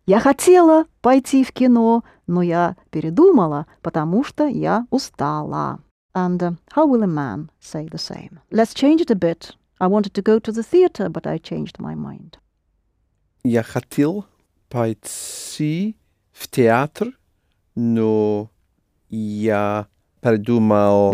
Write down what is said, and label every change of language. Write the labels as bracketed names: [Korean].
[Russian] Я хотела пойти в кино, но я передумала, потому что я устала. [English] And how will a man say the same? Let's change it a bit. I wanted to go to the theater, but I changed my mind. [Russian] Я хотел пойти в театр, но я передумал...